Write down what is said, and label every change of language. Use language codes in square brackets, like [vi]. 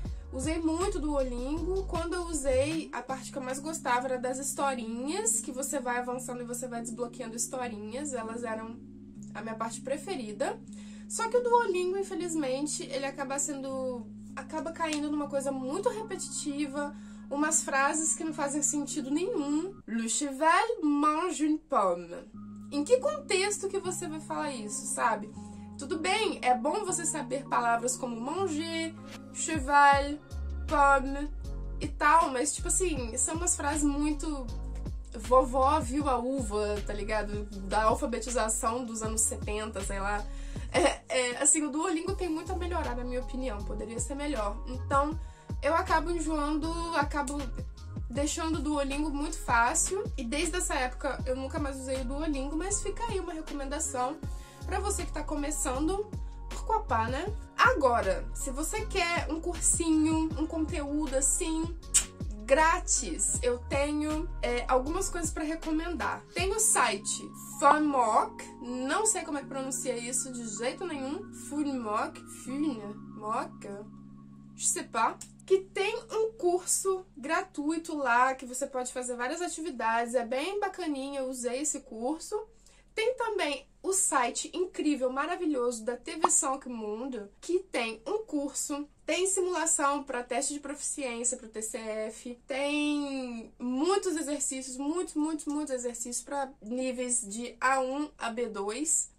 [pt] Usei muito do Duolingo. Quando eu usei, a parte que eu mais gostava era das historinhas, que você vai avançando e você vai desbloqueando historinhas. Elas eram a minha parte preferida. Só que o Duolingo, infelizmente, ele acaba sendo, acaba caindo numa coisa muito repetitiva, umas frases que não fazem sentido nenhum. [fr] Le cheval mange une pomme. [pt] Em que contexto que você vai falar isso, sabe? Tudo bem, é bom você saber palavras como [fr] manger, cheval, pomme [pt] e tal, mas tipo assim, são umas frases muito vovó viu a uva, tá ligado? Da alfabetização dos anos 70, sei lá. Assim, o Duolingo tem muito a melhorar, na minha opinião, poderia ser melhor. Então, eu acabo enjoando, acabo deixando o Duolingo muito fácil, e desde essa época eu nunca mais usei o Duolingo, mas fica aí uma recomendação para você que está começando, por copar, né? Agora, se você quer um cursinho, um conteúdo assim, grátis, eu tenho algumas coisas para recomendar. Tem o site FunMock, não sei como é que pronuncia isso de jeito nenhum. [fr] FunMock, FunMock, je sais pas. [pt] Que tem um curso gratuito lá, que você pode fazer várias atividades, é bem bacaninha, eu usei esse curso. Tem também o site incrível, maravilhoso da TV Sonic Mundo, que tem um curso, tem simulação para teste de proficiência para o TCF, tem muitos exercícios, muitos, muitos, muitos exercícios para níveis de A1 a B2.